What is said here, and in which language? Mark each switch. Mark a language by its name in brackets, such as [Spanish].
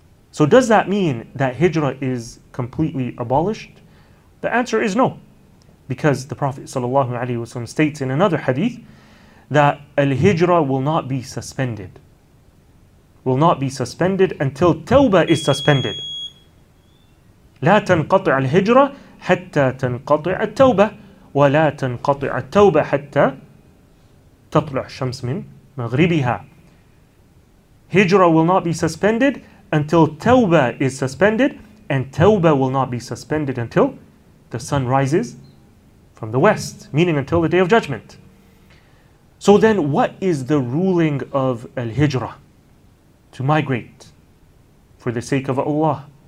[English] So does that mean that Hijrah is completely abolished? The answer is no, because the Prophet sallallahu alaihi wasallam states in another hadith that Al-Hijrah will not be suspended. Will not be suspended until Tawbah is suspended. [Arabic] لا تنقطع الهجرة حتى تنقطع التوبة ولا تنقطع التوبة حتى تطلع الشمس من مغربها. [English] Hijrah will not be suspended until Tawbah is suspended, and Tawbah will not be suspended until the sun rises from the west, meaning until the Day of Judgment. So then what is the ruling of Al-Hijrah? To migrate for the sake of Allah.